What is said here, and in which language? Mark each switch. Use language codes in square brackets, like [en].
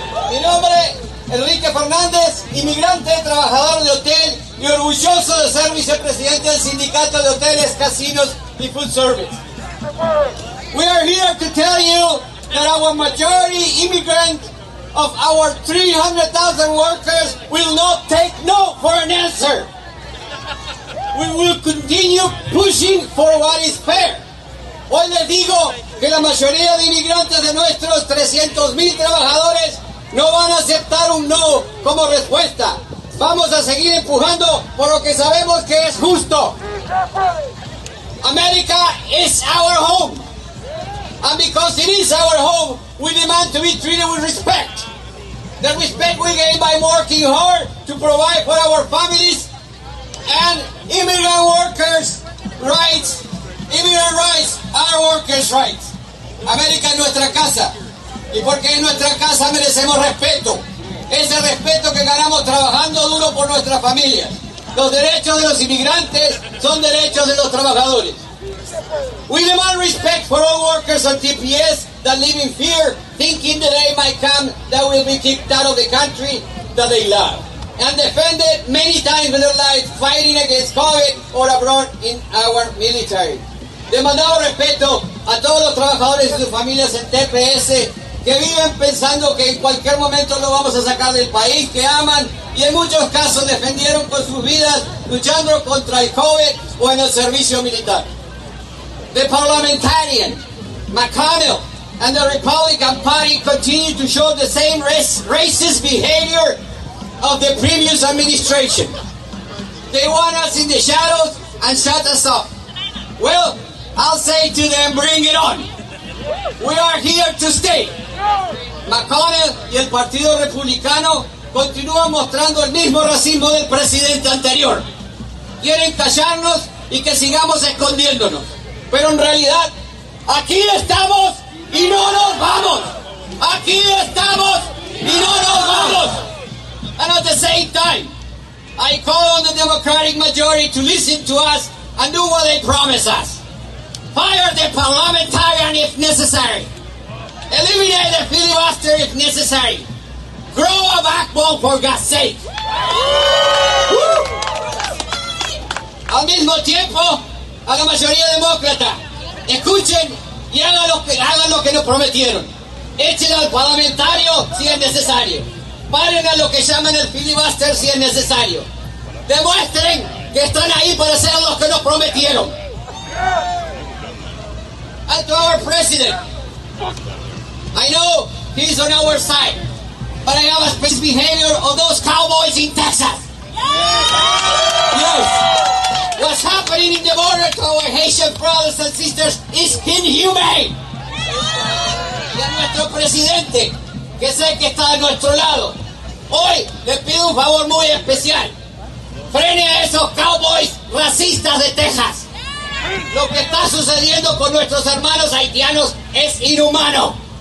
[es] Mi nombre, Enrique Fernandez, inmigrante, trabajador de hotel, y orgulloso de ser vicepresidente del Sindicato de Hoteles, Casinos, y Food Service. [en] We are here to tell you that our majority immigrant of our 300,000 workers will not take no for an answer. We will continue pushing for what is fair. [es] Hoy les digo que la mayoría de inmigrantes de nuestros 300,000 trabajadores no van a aceptar un no como respuesta. Vamos a seguir empujando por lo que sabemos que es justo. [en] America is our home. And because it is our home, we demand to be treated with respect. The respect we gain by working hard to provide for our families and immigrant workers' rights. Immigrant rights are workers' rights. [es] America es nuestra casa. Y porque es nuestra casa, merecemos respeto. Ese respeto que ganamos trabajando duro por nuestras familias. Los derechos de los inmigrantes son derechos de los trabajadores. [en] We demand respect for all workers on TPS that live in fear, thinking the day might come that will be kicked out of the country that they love. And defended many times with their lives fighting against COVID or abroad in our military. [es] Demandamos respeto a todos los trabajadores y sus familias en TPS que viven pensando que en cualquier momento lo vamos a sacar del país, que aman y en muchos casos defendieron con sus vidas luchando contra el COVID o en el servicio militar. [en] The parliamentarian McConnell and the Republican Party continue to show the same racist behavior of the previous administration. They want us in the shadows and shut us up. Well, I'll say to them, bring it on. We are here to stay. [es] McConnell y el Partido Republicano continúan mostrando el mismo racismo del presidente anterior. Quieren callarnos y que sigamos escondiéndonos. Pero en realidad, aquí estamos y no nos vamos. Aquí estamos y no nos vamos. [en] And at the same time, I call on the Democratic majority to listen to us and do what they promise us. Fire the parliamentarian if necessary. Eliminate the filibuster if necessary. Grow a backbone for God's sake. [es] Al mismo tiempo, a la mayoría demócrata, escuchen y hagan lo que nos prometieron. Echen al parlamentario si es necesario. Paren a lo que llaman el filibuster si es necesario. Demuestren que están ahí para hacer lo que nos prometieron. [en] And to our president, I know he's on our side, but I have a special behavior of those cowboys in Texas. Yes. What's happening in the border to our Haitian brothers and sisters is inhumane. [es] Y a nuestro presidente, que sé que está a nuestro lado, hoy le pido un favor muy especial. Frene a esos cowboys racistas de Texas. Lo que está sucediendo con nuestros hermanos haitianos es inhumano.